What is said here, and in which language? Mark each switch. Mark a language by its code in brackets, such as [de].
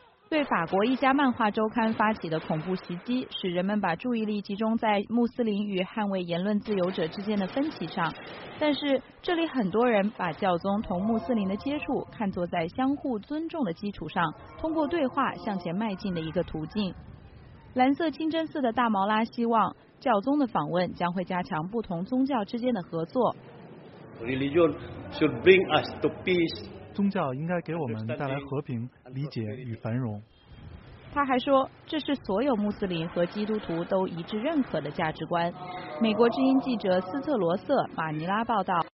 [zh] 对法国一家漫画周刊发起的恐怖袭击，使人们把注意力集中在穆斯林与捍卫言论自由者之间的分歧上，但是这里很多人把教宗同穆斯林的接触看作在相互尊重的基础上通过对话向前迈进的一个途径。蓝色清真寺的大毛拉希望教宗的访问将会加强不同宗教之间的合作。 [en] Religion should bring us to peace. [zh] 宗教应该给我们带来和平、理解与繁荣。他还说，这是所有穆斯林和基督徒都一致认可的价值观。美国之音记者斯特罗瑟，马尼拉报道。